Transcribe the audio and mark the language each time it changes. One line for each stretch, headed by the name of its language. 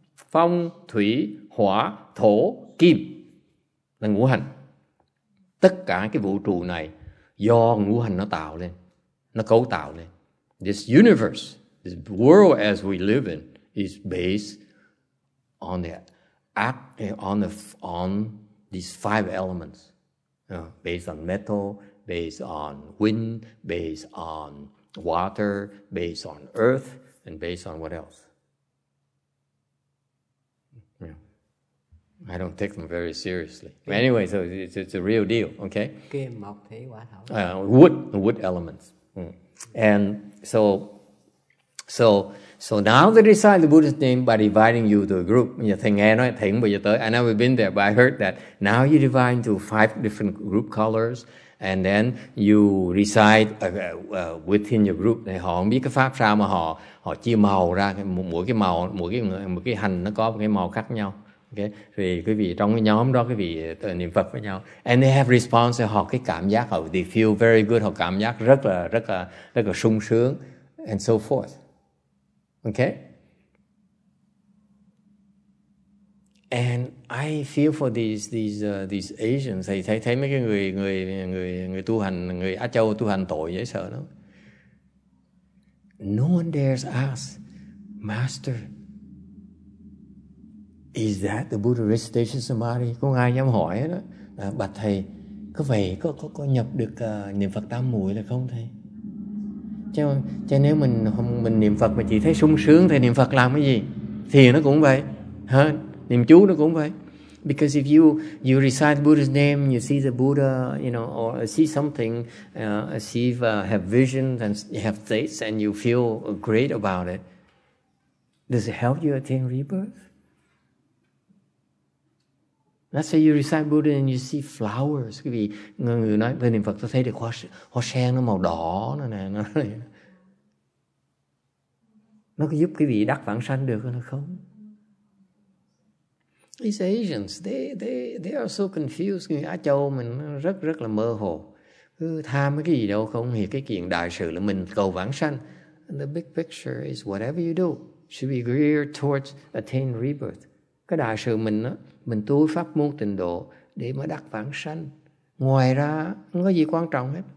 Vietnamese: Phong, thủy, hỏa, thổ, kim là ngũ hành. Tất cả cái vũ trụ này do ngũ hành nó tạo lên, nó cấu tạo lên.
English: This universe, this world as we live in, is based on the act on the on these five elements, based on metal, based on wind, based on water, based on earth, and based on what else? Yeah. I don't take them very seriously. But anyway, so it's a real deal, okay? Wood elements. And so now they recite the Buddha's name by dividing you to a group. We've been there, but I heard that now you divide into five different group colors, and then you recite within your group.
Vietnamese: Họ không biết cái pháp sao mà họ họ chia màu ra, mỗi cái màu, mỗi cái hành nó có cái màu khác nhau. Okay, thì quý vị trong cái nhóm đó, quý vị niệm Phật với nhau.
English: And they have response,
Vietnamese: họ cái cảm giác, họ
English: they feel very good,
Vietnamese: họ cảm giác rất là sung sướng,
English: and so forth. Okay? And I feel for these Asians,
Vietnamese: thấy mấy cái người tu hành, người Á Châu tu hành tội dễ sợ lắm.
English: No one dares ask, Master, is that the Buddha recitation samadhi?
Vietnamese: Không ai dám hỏi đó. Bạch thầy, có vậy có nhập được niệm Phật tam muội là không thầy? Cho nếu mình niệm Phật mà chỉ thấy sung sướng thì niệm Phật làm cái gì? Thiền nó cũng vậy, hả? Niệm chú nó cũng vậy.
English: Because if you recite Buddha's name, you see the Buddha, you know, or see something, see if, have visions and have thoughts, and you feel great about it, does it help you attain rebirth? Let's say you recite Buddha and you see flowers.
Vietnamese: Quý vị, người nói về niệm Phật, tôi thấy được hoa sen nó màu đỏ nè. Nó có giúp quý vị đắc vãng sanh được hay không?
English: These Asians, they are so confused.
Vietnamese: Người Á Châu mình rất rất là mơ hồ. Cứ tham cái gì đâu không hiểu cái chuyện đại sự là mình cầu vãng sanh.
English: And the big picture is whatever you do should be geared towards attain rebirth.
Vietnamese: Cái đại sự mình đó, mình tu pháp môn tịnh độ để mà đắc vãng sanh. Ngoài ra không có gì quan trọng hết.